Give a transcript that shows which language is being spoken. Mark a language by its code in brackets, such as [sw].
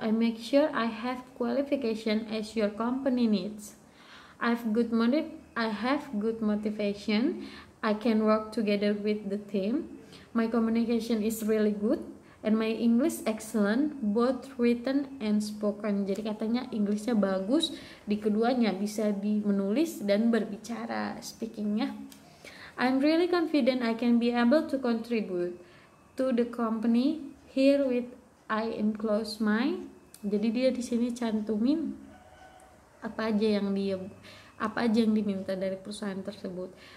[en] I make sure I have qualification as your company needs. I have good motivation. I can work together with the team. My communication is really good. And my English excellent, both written and spoken. [id] Jadi katanya Inggrisnya bagus di keduanya, bisa di menulis dan berbicara, speakingnya. [en] I'm really confident I can be able to contribute to the company here with I enclose my. [id] Jadi dia di sini cantumin apa aja yang diminta dari perusahaan tersebut.